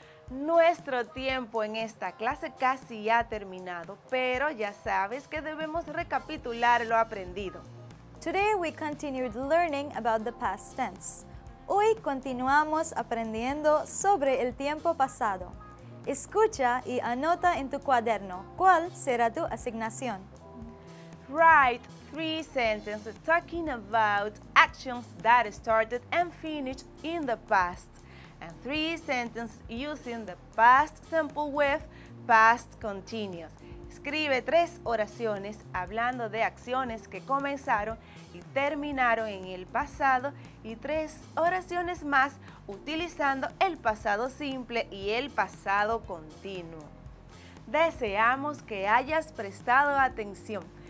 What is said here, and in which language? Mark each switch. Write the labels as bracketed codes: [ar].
[es] Nuestro tiempo en esta clase casi ha terminado, pero ya sabes que debemos recapitular lo aprendido. [en] Today we continued learning about the past tense. [es] Hoy continuamos aprendiendo sobre el tiempo pasado. Escucha y anota en tu cuaderno cuál será tu asignación. [en] Write 3 sentences talking about actions that started and finished in the past. And 3 sentences using the past simple with past continuous. [es] Escribe 3 oraciones hablando de acciones que comenzaron y terminaron en el pasado y 3 oraciones más utilizando el pasado simple y el pasado continuo. Deseamos que hayas prestado atención.